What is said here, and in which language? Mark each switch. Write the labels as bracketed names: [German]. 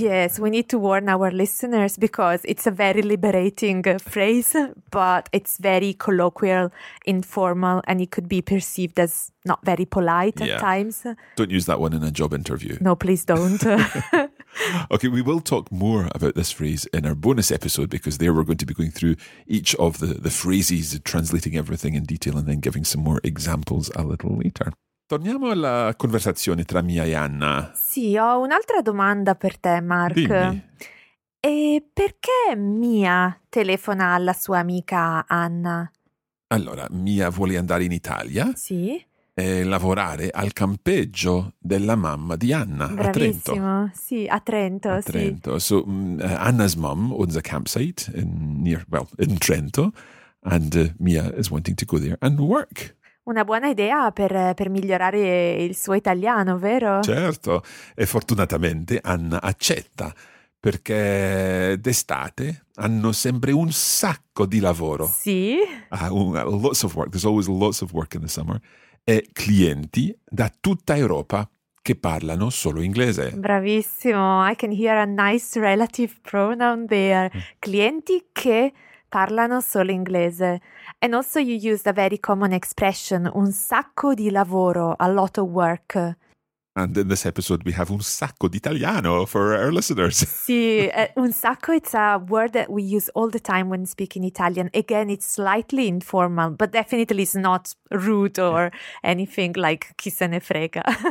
[English] Yes, we need to warn our listeners because it's a very liberating phrase, but it's very colloquial, informal, and it could be perceived as not very polite at times. Don't use that one in a job interview. No, please don't. Okay, we will talk more about this phrase in our bonus episode, because there we're going to be going through each of the phrases, translating everything in detail and then giving some more examples a little later. [Italian] Torniamo alla conversazione tra Mia e Anna. Sì, ho un'altra domanda per te, Mark. Dimmi. E perché Mia telefona alla sua amica Anna? Allora, Mia vuole andare in Italia. Sì. E lavorare al campeggio della mamma di Anna. Bravissimo. A Trento. Sì, a Trento. A Trento. [English] So, Anna's mom owns a campsite in Trento, and Mia is wanting to go there and work. [Italian] Una buona idea per migliorare il suo italiano, vero? Certo, e fortunatamente Anna accetta, perché d'estate hanno sempre un sacco di lavoro. Sì. [English] Lots of work, there's always lots of work in the summer. [Italian] E clienti da tutta Europa che parlano solo inglese. [English] Bravissimo, I can hear a nice relative pronoun there. [Italian] Clienti che parlano solo inglese. [English] And also you used a very common expression, [Italian] un sacco di lavoro, [English] a lot of work. And in this episode we have [Italian] un sacco d'italiano [English] for our listeners. [Italian] Sì, un sacco, [English] it's a word that we use all the time when speaking Italian. Again, it's slightly informal, but definitely it's not rude or anything like [Italian] chi se ne frega.